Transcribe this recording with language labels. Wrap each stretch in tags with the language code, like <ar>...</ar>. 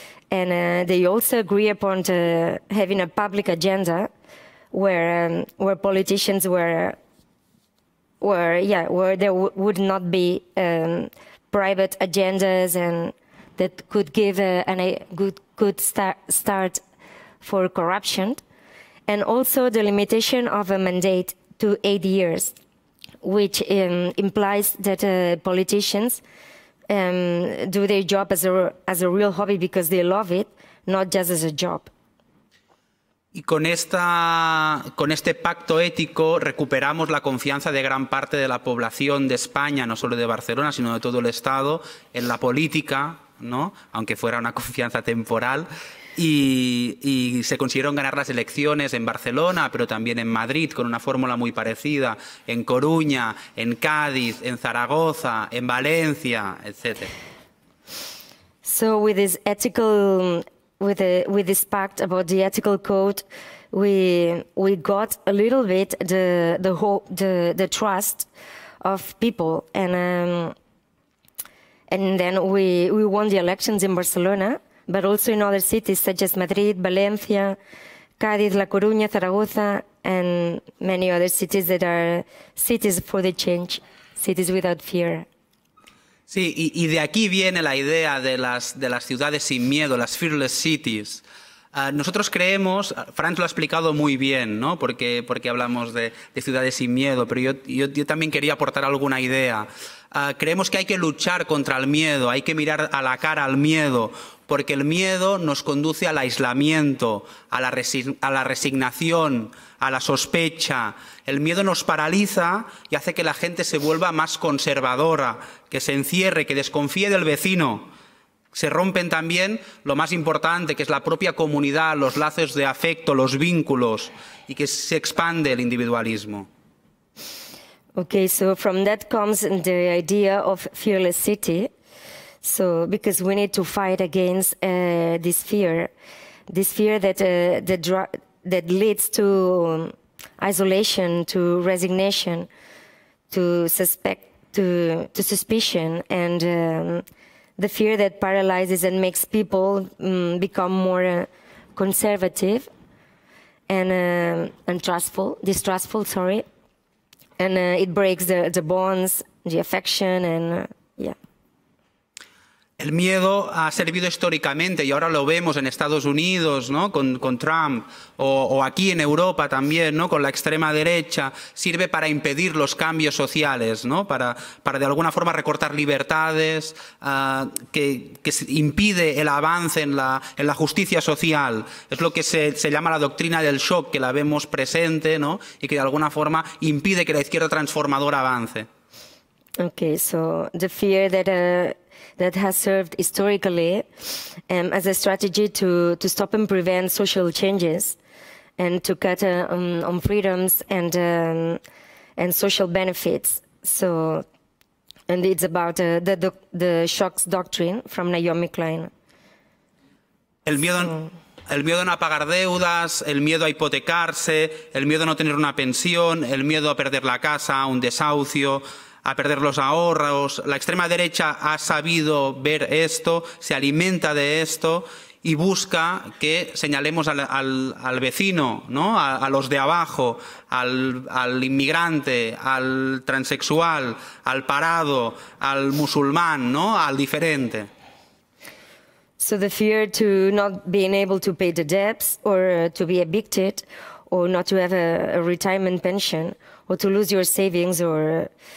<en>And they also agree upon having a public agenda where politicians where there would not be private agendas, and that could give a good start for corruption, and also the limitation of a mandate to 8 years, which implies that politicians do their job as a real hobby because they love it, not just as a job.</en> <es>Y con este pacto ético recuperamos la confianza de gran parte de la población de España, no solo de Barcelona, sino de todo el Estado, en la política, ¿no?, aunque fuera una confianza temporal. Y se consiguieron ganar las elecciones en Barcelona, pero también en Madrid, con una fórmula muy parecida, en Coruña, en Cádiz, en Zaragoza, en Valencia, etc.</es> <en>So with this ethical, with this pact about the ethical code, we got a little bit the trust of people, and then we won the elections in Barcelona, but also in other cities such as Madrid, Valencia, Cádiz, La Coruña, Zaragoza, and many other cities that are cities for the change, cities without fear.</en> <es>Sí, y de aquí viene la idea de las ciudades sin miedo, las fearless cities. Nosotros creemos, Franz lo ha explicado muy bien, ¿no?, porque hablamos de ciudades sin miedo, pero yo también quería aportar alguna idea. Creemos que hay que luchar contra el miedo, hay que mirar a la cara al miedo, porque el miedo nos conduce al aislamiento, a la resignación, a la sospecha. El miedo nos paraliza y hace que la gente se vuelva más conservadora, que se encierre, que desconfíe del vecino. Se rompen también lo más importante, que es la propia comunidad, los lazos de afecto, los vínculos, y que se expande el individualismo.</es> <en>Okay, so from that comes the idea of fearless city. So because we need to fight against this fear that leads to isolation, to resignation, to suspicion, and the fear that paralyzes and makes people become more conservative and distrustful. Sorry. And it breaks the bonds, the affection, and</en> <es>El miedo ha servido históricamente y ahora lo vemos en Estados Unidos, ¿no? con Trump o aquí en Europa también, ¿no? Con la extrema derecha, sirve para impedir los cambios sociales, ¿no? Para de alguna forma recortar libertades, que impide el avance en la justicia social. Es lo que se llama la doctrina del shock, que la vemos presente, ¿no? Y que de alguna forma impide que la izquierda transformadora avance.</es> <en>Okay, so the fear that has served historically as a strategy to stop and prevent social changes and to cut on freedoms and social benefits. So, and it's about the shocks doctrine from Naomi Klein.</en> <es>El miedo, el miedo a no pagar deudas, el miedo a hipotecarse, el miedo a no tener una pensión, el miedo a perder la casa, un desahucio, a perder los ahorros. La extrema derecha ha sabido ver esto, se alimenta de esto y busca que señalemos al vecino, ¿no? A los de abajo, al inmigrante, al transexual, al parado, al musulmán, ¿no? Al diferente.</es> <en>So the fear to not being able to pay the debts or to be evicted or not to have a retirement pension or to lose your savings or</en>